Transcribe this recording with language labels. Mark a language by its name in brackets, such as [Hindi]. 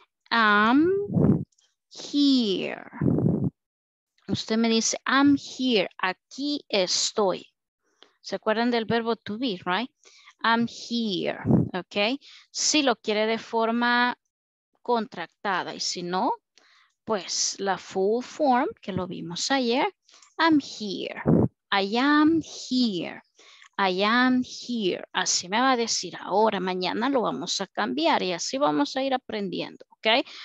[English] am here. [Spanish] Usted me dice, [English] I'm here, [Spanish] aquí estoy. ¿Se acuerdan del verbo [English] to be, right? I'm here, [Spanish] ¿ok? Si lo quiere de forma contractada y si no, pues la [English] full form [Spanish] que lo vimos ayer. [English] I'm here, I am here, I am here. [Spanish] Así me va a decir ahora, mañana lo vamos a cambiar y así vamos a ir aprendiendo, ¿ok?